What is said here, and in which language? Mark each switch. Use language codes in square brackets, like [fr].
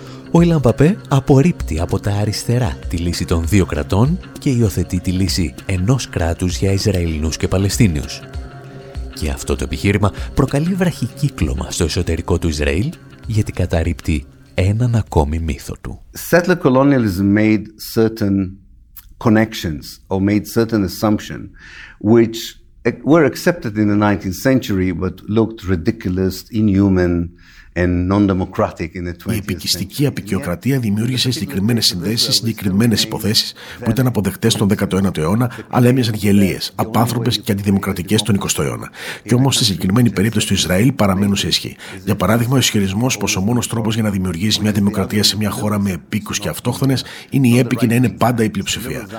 [el] Ο Ιλάν Παπέ απορρίπτει από τα αριστερά τη λύση των δύο κρατών και υιοθετεί τη λύση ενός κράτους για Ισραηλινούς και Παλαιστίνιους. Και αυτό το επιχείρημα προκαλεί βραχυκύκλωμα στο εσωτερικό του Ισραήλ, γιατί καταρρύπτει έναν ακόμη μύθο του. [en] Settler colonialism made certain connections or made certain assumptions which were accepted in the 19th century but looked ridiculous, inhuman [el] Η επικιστική αποικιοκρατία δημιούργησε συγκεκριμένες συνδέσεις, συγκεκριμένες υποθέσεις που ήταν αποδεκτές τον 19ο αιώνα, αλλά έμοιαζαν γελίες, απάνθρωπες και αντιδημοκρατικές τον 20ο αιώνα. Και όμως στη συγκεκριμένη περίπτωση του Ισραήλ παραμένουν σε ισχύ. Για παράδειγμα, ο ισχυρισμός πως ο μόνος τρόπος για να δημιουργήσει μια δημοκρατία σε μια χώρα με επίκους και αυτόχθονες είναι η έπικη να είναι πάντα η πλειοψηφία.